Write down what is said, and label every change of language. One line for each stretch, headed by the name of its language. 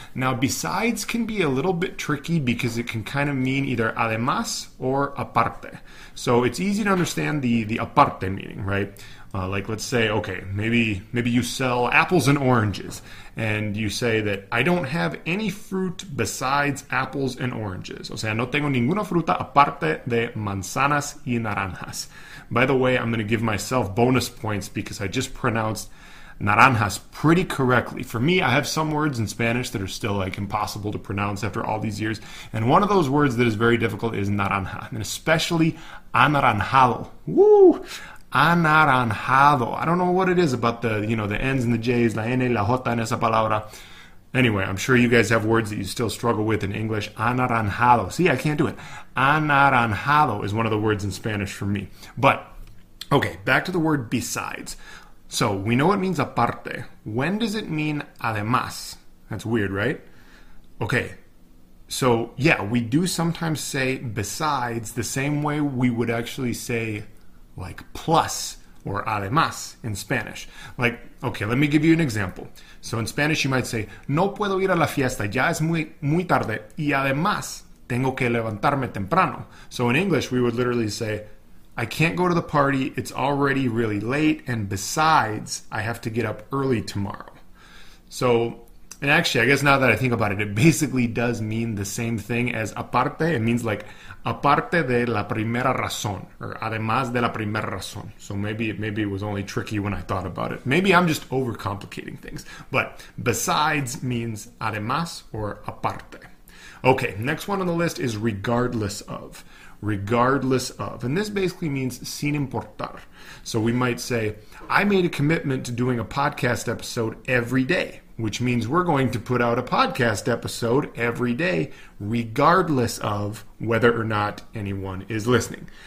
English: Now, besides can be a little bit tricky because it can kind of mean either además or aparte. So it's easy to understand the aparte meaning, right? Like, let's say, okay, maybe you sell apples and oranges, and you say that I don't have any fruit besides apples and oranges.
Spanish: O sea, no tengo ninguna fruta aparte de manzanas y naranjas.
English: By the way, I'm going to give myself bonus points because I just pronounced naranjas pretty correctly. For me, I have some words in Spanish that are still like impossible to pronounce after all these years, and one of those words that is very difficult is naranja, and especially anaranjado. Woo! Anaranjado. I don't know what it is about the, you know, the N's and the J's,
Spanish: la N, la J en esa palabra.
English: Anyway, I'm sure you guys have words that you still struggle with in English. Anaranjado. See, I can't do it. Anaranjado is one of the words in Spanish for me. But, okay, back to the word besides. So, we know it means aparte. When does it mean además? That's weird, right? Okay. So, yeah, we do sometimes say besides the same way we would actually say like plus or además in Spanish. Like, okay, let me give you an example. So in Spanish, you might say,
Spanish: no puedo ir a la fiesta, ya es muy, muy tarde, y además tengo que levantarme temprano.
English: So in English, we would literally say, I can't go to the party, it's already really late, and besides, I have to get up early tomorrow. So, and actually, I guess now that I think about it, it basically does mean the same thing as aparte. It means like
Spanish: aparte de la primera razón,
English: or
Spanish: además de la primera razón.
English: So maybe it was only tricky when I thought about it. Maybe I'm just overcomplicating things. But besides means además or aparte. Okay, next one on the list is regardless of. Regardless of. And this basically means
Spanish: sin importar.
English: So we might say, I made a commitment to doing a podcast episode every day, which means we're going to put out a podcast episode every day, regardless of whether or not anyone is listening.